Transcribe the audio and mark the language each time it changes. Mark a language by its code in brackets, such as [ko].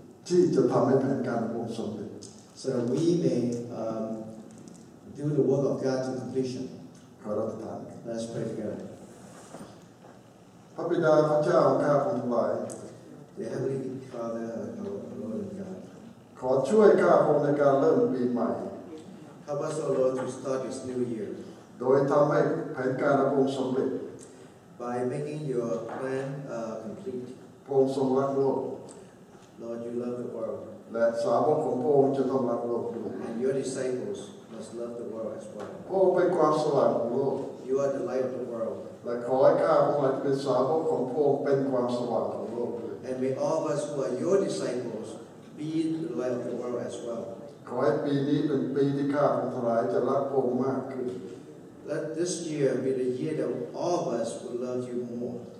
[th] ที่จะทำให้แผนการพระองค์สำเร็จ [en] so that we may do the work of God to completion. Let's pray together. [th] พระบิดาพระเจ้าข้าพระองค์ทั้งหลาย [en] The Heavenly Father, our Lord and God. [th] ขอช่วยข้าพระองค์ในการเริ่มปีใหม่ [en] Help us, O Lord, to start this new year. [th] โดยทำให้แผนการพระองค์สำเร็จ [en] By making your plan complete. [th] พระองค์ทรงรักโลก [en] Lord, you love the world. [th] และสาวกของพระองค์จะต้องรักโลกด้วย [en] And your disciples. Must love the world as well. [th] พระองค์เป็นความสว่างของโลก [en] You are the light of the world. [th] และขอให้ข้าพระองค์เป็นสาวกของพระองค์เป็นความสว่างของโลกด้วย [en] And may all of us who are your disciples be the light of the world as well. [th] ขอให้ปีนี้เป็นปีที่ข้าพระองค์ทั้งหลายจะรักพระองค์มากขึ้น [en] Let this year be the year that all of us will love you more.